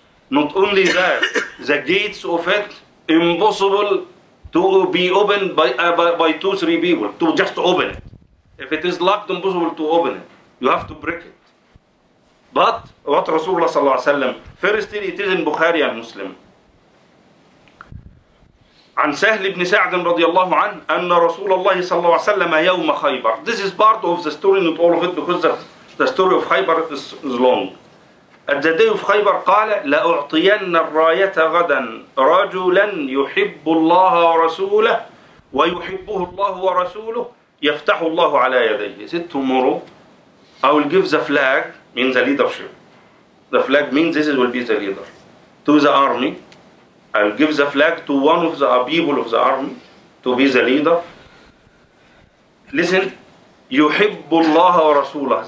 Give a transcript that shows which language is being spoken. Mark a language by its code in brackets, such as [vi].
[en] Not only that, the gates of it, impossible to be opened by two, three people, to just open it. If it is locked, impossible to open it. You have to break it. But what Rasulullah sallallahu alayhi wa sallam, firstly, it is in Bukhari and Muslim. [ar] عن سهل بن سعد رضي الله عنه أن رسول الله صلى الله عليه وسلم يوم خيبر. [en] This is part of the story, not all of it, because the story of خيبر is long. At the day of [ar] خيبر قال لأعطين الراية غدا رجلا يحب الله ورسوله ويحبه الله ورسوله يفتح الله على يديه. [en] He said, tomorrow I will give the flag, means the leadership. The flag means this will be the leader. to the army. I'll give the flag to one of the people of the army to be the leader. Listen, [ar] يُحِبُّ اللَّهَ وَرَسُولَهُ.